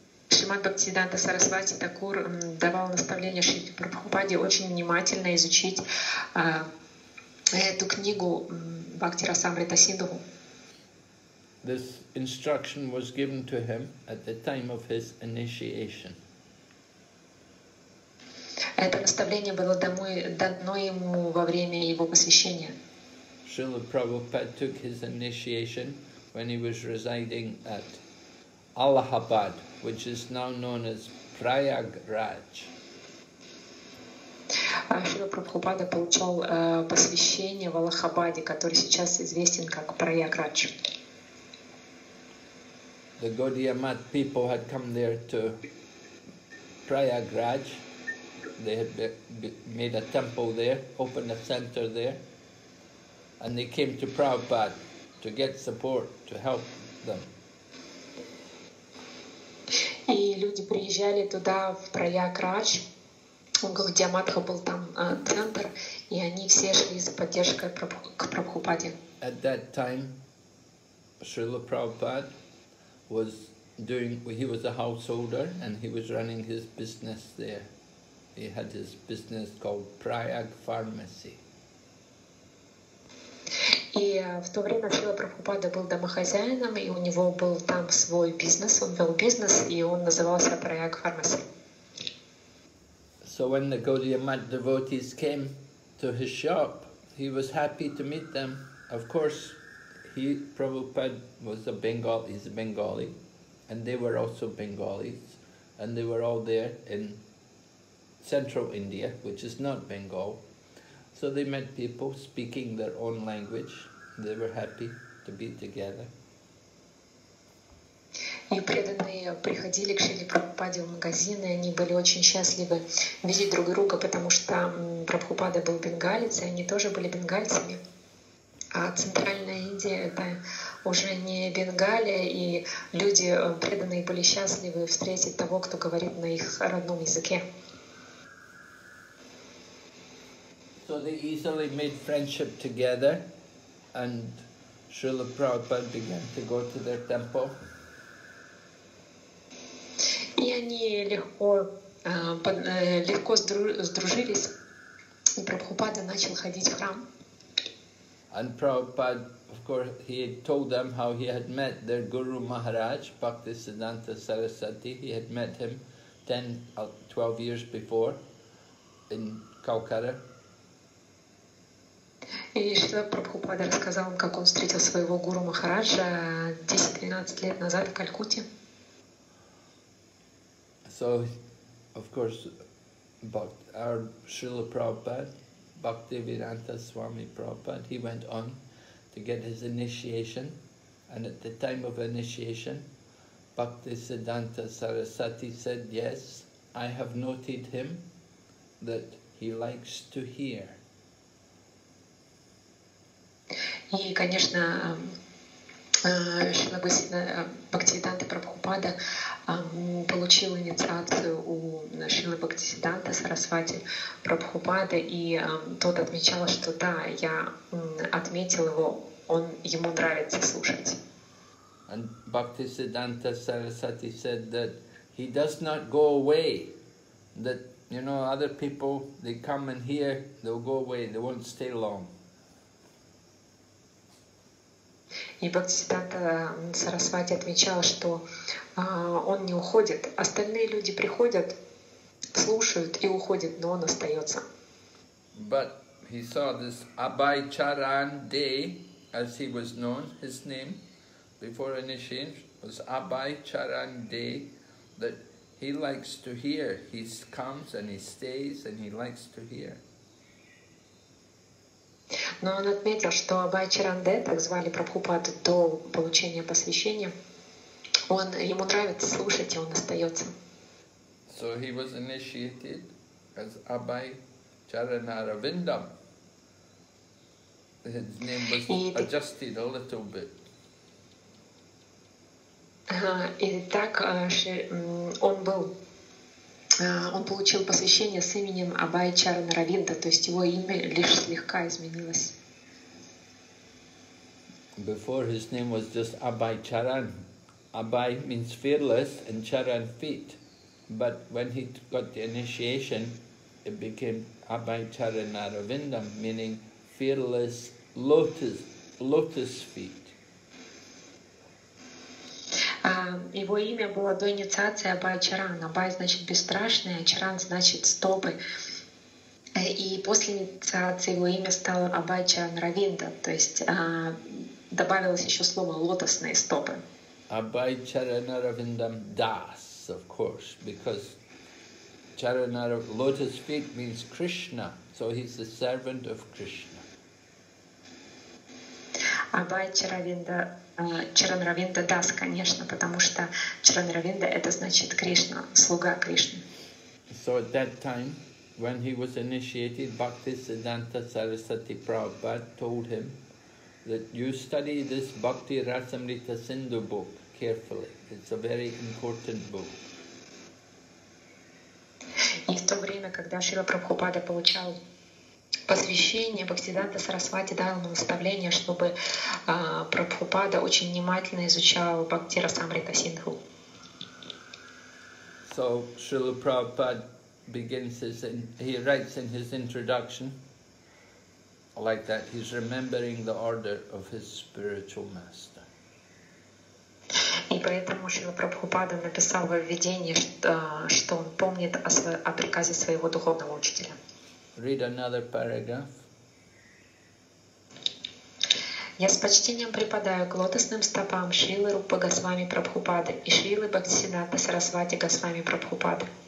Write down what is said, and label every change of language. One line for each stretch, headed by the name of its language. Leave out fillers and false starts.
Russian: Шримад Бхактисиддханта Сарасвати Такур давал наставление Шри Прабхупаде очень внимательно изучить эту книгу Бхакти Расамрита Синдху.
English: This instruction was given to him at the time of his initiation.
Russian: Это наставление было дано ему во время его посвящения.
English: Srila Prabhupada took his initiation when he was residing at Allahabad, which is now known as Prayagraj.
Russian: Шрила Прабхупада получал посвящение в Аллахабаде, который сейчас известен как Прайаградж.
English: The Gaudiya Math people had come there to Prayagraj. They had made a temple there, opened a center there, and they came to Prabhupada to get support, to help them.
Russian: И люди приезжали туда, в Прайаградж. У Гаудия Матха был там центр, и они все шли за поддержкой к Прабхупаде.
English: At that time, Srila Prabhupada was doing, he was a householder, and he was running his business there. He had his business called Prayag Pharmacy.
Russian: И в то время Шрила Прабхупада был домохозяином, и у него был там свой бизнес, он вел бизнес, и он назывался Prayag Pharmacy.
English: So when the Gaudiya Math devotees came to his shop, he was happy to meet them. Of course, he, Prabhupada, was a Bengali, he's a Bengali, and they were also Bengalis, and they were all there in central India, which is not Bengal. So they met people speaking their own language. They were happy to be together.
Russian: И преданные приходили к Шриле Прабхупаде в магазин, и они были очень счастливы видеть друг друга, потому что Прабхупада был бенгалец, и они тоже были бенгальцами. А центральная Индия — это уже не Бенгалия, и люди преданные были счастливы встретить того, кто говорит на их родном языке.
English: So they easily made friendship together, and Srila Prabhupada began to go to their temple.
Russian: И они легко, легко сдружились, и Прабхупада начал ходить в храм.
English: And Prabhupada, of course, he had told them how he had met their Guru Maharaj, Bhaktisiddhanta Sarasvati. He had met him 10-12 years before in Calcutta.
Russian: И Шрила Прабхупада рассказал им, как он встретил своего Гуру Махараджа 10-12 лет назад в Калькутте.
English: So, of course, our Srila Prabhupada, Bhaktivedanta Swami Prabhupada, he went on to get his initiation. And at the time of initiation, Bhaktisiddhanta Sarasvati said, yes, I have noted him that he likes to hear.
Russian: И, конечно, Шрила Бхактисиддханта Прабхупада получил инициацию у Шрилы Бхактисиддханта Сарасвати Прабхупады, и тот отмечал, что да, я отметил его, он ему нравится слушать.
English: And Bhaktisiddhanta Sarasvati said that he does not go away, that, you know, other people, they come and hear, they'll go away, they won't stay long.
Russian: И Бхактисиддханта Сарасвати отвечал, что он не уходит. Остальные люди приходят, слушают и уходят, но он остается.
English: But he saw this Abhay Charan Day, as he was known, his name before initiation was Abhay Charan Day, that he likes to hear. He comes and he stays and he likes to hear.
Russian: Но он отметил, что Абхай Чаранде, так звали Прабхупаду до получения посвящения, он, ему нравится слушать, и он остается.
English: So he was initiated as Abhay Charanaravindam. His name was adjusted a little bit.
Russian: И так он был, он получил посвящение с именем Абхай Чаранаравинда, то есть его имя лишь слегка изменилось.
English: Before his name was just Abhay Charan. Abhay means fearless and Charan feet. But when he got the initiation, it became Abhay Charanaravindam, meaning fearless lotus feet.
Russian: Его имя было до инициации Абхай Чаран. Абхай значит бесстрашный, а Чаран значит стопы. И после инициации его имя стало Абхай Чаранаравинда, то есть добавилось еще слово лотосные стопы.
English: Абхай Чаранаравиндам Дас, of course, because Чаранарав, lotus feet means Krishna, so he's the servant of Krishna.
Russian: Абхай Чаранаравинда Дас, конечно, потому что Чаранаравинда это значит Кришна, слуга Кришны.
English: So at that time, when he was initiated, Bhaktisiddhanta Sarasvati Prabhupada told him that you study this Bhakti Rasamrita Sindhu book carefully. It's a very important book.
Russian: И в то время, когда Шрила Прабхупада получал посвящение, Бхактисиддханта Сарасвати дал ему наставление, чтобы Прабхупада очень внимательно изучал Бхакти Расамрита Синдху.
English: So Шрила Прабхупада begins his, he writes in his introduction like that, he's remembering the order of his spiritual master.
Russian: И поэтому Шрила Прабхупада написал во введении, что он помнит о приказе своего духовного учителя.
English: Read another paragraph.
Russian: Я с почтением преподаю к лотосным стопам Шрилы Рупы Госвами Прабхупады и Шрилы Бхактисиддханта Сарасвати Госвами Прабхупады.